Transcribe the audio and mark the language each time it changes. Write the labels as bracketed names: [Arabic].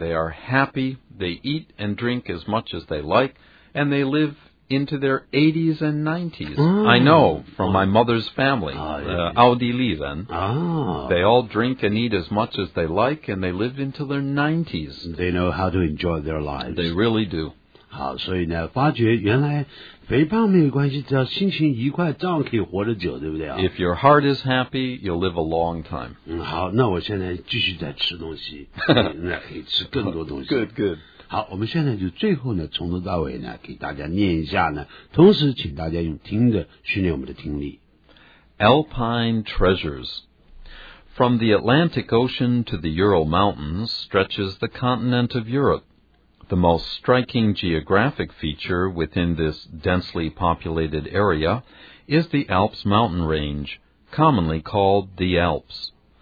[English] They are happy, they eat and drink as much as they like, and they live into their 80s and 90s. I know from my mother's family, Audi Leven. They all drink and eat as much as they like, and they live into their 90s. They know how to enjoy their lives. They really do. [Chinese] 好，所以呢，发觉原来肥胖没有关系，只要心情愉快，照样可以活得久，对不对啊 [English] ？If your heart is happy, you'll live a long time. [Chinese] 好，那我现在继续在吃东西，那可以吃更多东西。 [English] Good, good. [Chinese] 好，我们现在就最后呢，从头到尾呢，给大家念一下呢，同时请大家用听的训练我们的听力。 [English] Alpine treasures. From the Atlantic Ocean to the Ural Mountains stretches the continent of Europe. The most striking geographic feature within this densely populated area is the Alps mountain range, commonly called the Alps.